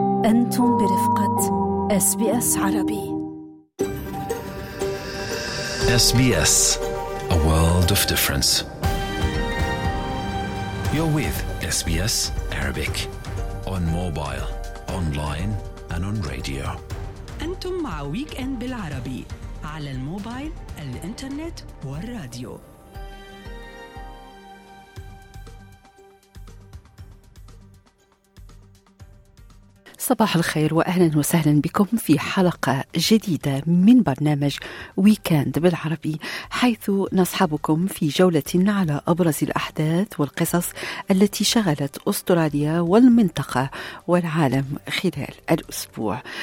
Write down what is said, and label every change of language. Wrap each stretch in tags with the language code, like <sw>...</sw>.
<ar>أنتم برفقة SBS عربي.</ar> <en>SBS, a world of difference. You're with SBS Arabic on mobile, online and on radio.</en> <ar>أنتم مع ويك إند بالعربي على الموبايل, الإنترنت والراديو. صباح الخير وأهلا وسهلا بكم في حلقة جديدة من برنامج ويكند بالعربي, حيث نصحبكم في جولة على أبرز الأحداث والقصص التي شغلت أستراليا والمنطقة والعالم خلال الأسبوع.</ar>